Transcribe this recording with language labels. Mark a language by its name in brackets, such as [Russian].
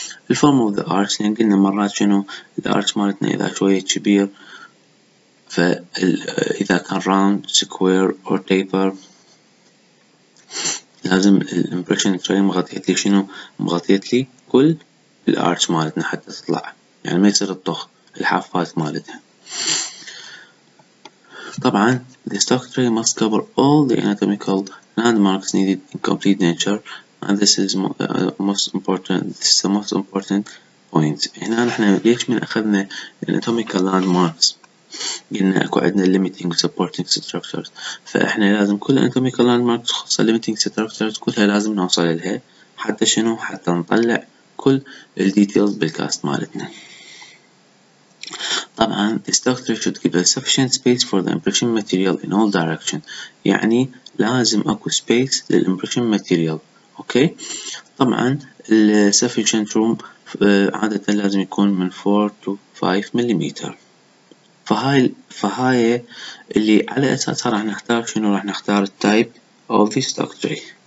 [Arabic] الفورم اوف ذا ارت اللي قلنا مرات شنو الارت مالتنا اذا شويه كبير، فاذا كان راوند سكوير او تيبر لازم الامبريشن تري مغطيت لي شنو، مغطيت لي كل الارتش مالتنا حتى تطلع، يعني ما يصير الطخ الحافات مالتها. [English] طبعا the structure must cover all the anatomical landmarks needed in complete denture and this is most important, this is the most important point. [Arabic] هنا احنا ليش من اخذنا anatomical landmarks قلنا اكو عندنا limiting supporting structures، فاحنا لازم كل anatomical landmarks خصوصا limiting structures كلها لازم نوصل لها حتى شنو، حتى نطلع كل الديتيلز بالكاست مالتنا. [English] طبعا the structure should give a sufficient space for the impression material in all direction، [Arabic] يعني لازم اكو space للimpression material. اوكي طبعا ال sufficient room عادة لازم يكون من 4 to 5 millimeter، فهاي اللي على اساسها راح نختار شنو، راح نختار type of the structure.